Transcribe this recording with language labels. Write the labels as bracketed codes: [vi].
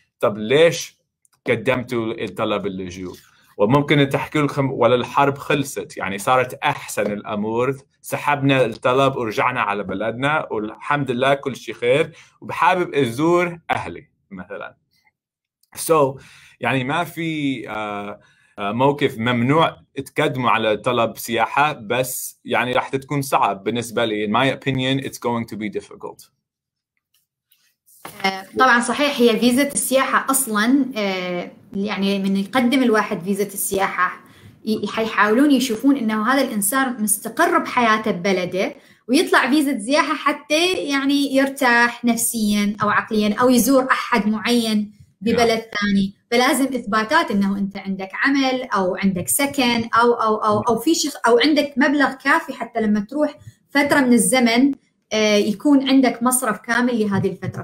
[ar] طب ليش قدمتوا الطلب اللجوء؟ وممكن تحكوا لكم ولا الحرب خلصت، يعني صارت أحسن الأمور، سحبنا الطلب ورجعنا على بلدنا والحمد لله كل شيء خير، وبحابب أزور أهلي مثلا. So يعني ما في موقف ممنوع تقدموا على طلب سياحة، بس يعني راح تكون صعب بالنسبة لي. [en] In my opinion it's going to be difficult. [ar] طبعا صحيح، هي فيزا السياحة أصلا يعني من يقدم الواحد فيزا السياحة حيحاولون يشوفون إنه هذا الإنسان مستقر بحياته ببلده، ويطلع فيزا سياحة حتى يعني يرتاح نفسيا أو عقليا أو يزور أحد معين ببلد ثاني، فلازم إثباتات إنه أنت عندك عمل أو عندك سكن أو أو أو أو في شخص أو عندك مبلغ كافي حتى لما تروح فترة من الزمن يكون عندك مصرف كامل لهذه الفترة.